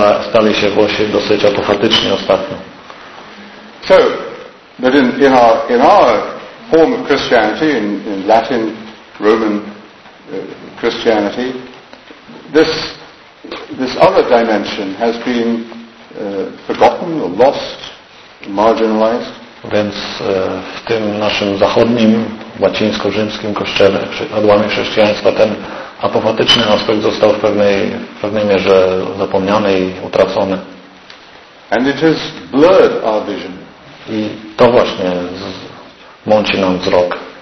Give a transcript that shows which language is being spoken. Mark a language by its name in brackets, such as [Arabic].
[Polish] Stali się Włosi dosyć apofatyczni ostatnio. [English] So, but in our form of Christianity, in Latin, Roman Christianity, this other dimension has been forgotten or lost, marginalized. [Polish] Więc w tym naszym zachodnim, łacińsko-rzymskim kościele, odłamie chrześcijaństwa, ten apofatyczny aspekt został w pewnej mierze zapomniany i utracony. [English] And it has blurred our vision. [Polish] I to właśnie mąci nam wzrok.